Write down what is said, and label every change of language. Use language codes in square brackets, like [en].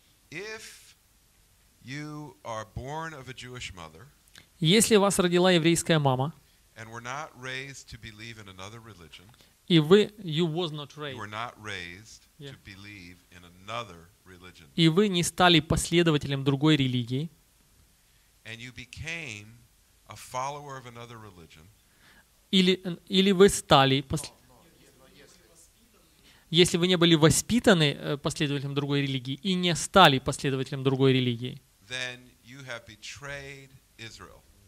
[en] if you are born of a Jewish mother, [ru] если вас родила еврейская мама, [en] and were not raised to believe in another religion, [ru] и вы, [en] you was not raised, you were not raised to believe in another religion, [ru] и вы не стали последователем другой религии, [en] and you became a follower of another religion, [ru] или вы стали если вы не были воспитаны последователем другой религии и не стали последователем другой религии, [en] then you have betrayed Israel.